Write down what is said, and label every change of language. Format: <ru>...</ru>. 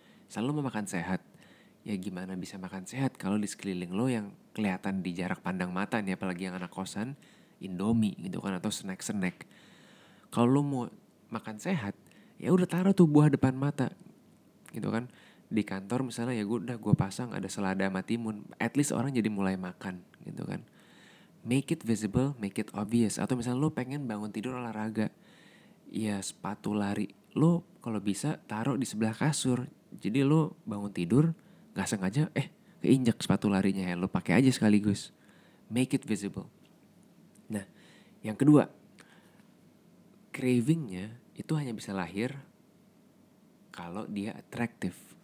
<id>Selalu mau makan sehat, ya gimana bisa makan sehat kalau di sekeliling lo yang kelihatan di jarak pandang mata nih, apalagi yang anak kosan, Indomie gitu kan, atau snack-snack. Kalau lo mau makan sehat, ya udah taruh tuh buah depan mata gitu kan. Di kantor misalnya, ya udah gue pasang ada selada sama timun, at least orang jadi mulai makan gitu kan.</id> <en>Make it visible, make it obvious.</en> <id>Atau misalnya lo pengen bangun tidur olahraga, ya sepatu lari lo kalau bisa taruh di sebelah kasur. Jadi lo bangun tidur gak sengaja keinjak sepatu larinya, ya lo pakai aja sekaligus.</id> <en>Make it visible.</en> <id>Nah, yang kedua, cravingnya itu hanya bisa lahir kalau dia attractive.</id>